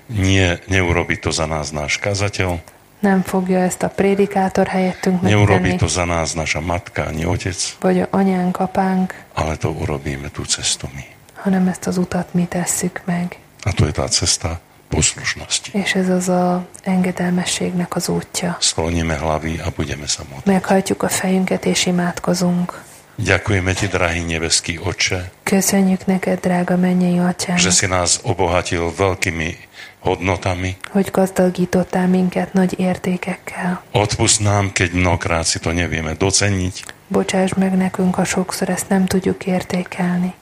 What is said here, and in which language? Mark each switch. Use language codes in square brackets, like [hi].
[sk] Nie, neurobí to za nás náš kazateľ. [hu] Nem fogja ezt a prédikátor helyettünk megtenni. [sk] Neurobí to za nás naša matka, ani otec. [hu] Vagy a anyánk, apánk. [sk] Ale to urobíme tú cestu my. [hu] Hanem ezt az utat mi tesszük meg. [sk] A to je tá cesta poslušnosti. [hu] És ez az a engedelmességnek az útja. [sk] Skloníme hlavy a budeme sa modliť. [hu] Meghajtjuk a fejünket és imádkozunk. [sk] Ďakujeme ti, drahý nebeský Otče. [hu] Köszönjük neked, drága mennyei Atyám. [sk] Že si nás obohatil veľkými hodnotami. [hu] Hogy gazdagítottál minket nagy értékekkel. [sk] Odpusť nám, keď mnohokrát si to nevieme doceniť. [hu] Bocsáss meg nekünk, ha sokszor ezt nem tudjuk értékelni.